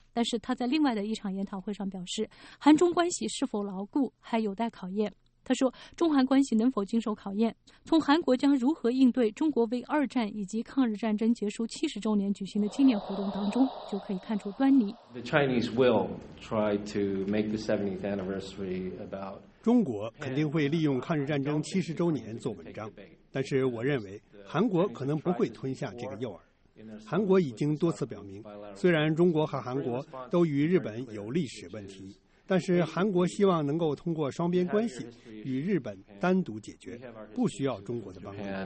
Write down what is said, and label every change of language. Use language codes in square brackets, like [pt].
[zh] 但是他在另外的一场研讨会上表示，韩中关系是否牢固还有待考验。他说，中韩关系能否经受考验，从韩国将如何应对中国为二战以及抗日战争结束七十周年举行的纪念活动当中，就可以看出端倪。 [en] The Chinese will try to make the 70th anniversary about... [zh] 中国肯定会利用抗日战争七十周年做文章，但是我认为韩国可能不会吞下这个诱饵。韩国已经多次表明，虽然中国和韩国都与日本有历史问题，但是韩国希望能够通过双边关系与日本单独解决，不需要中国的帮助。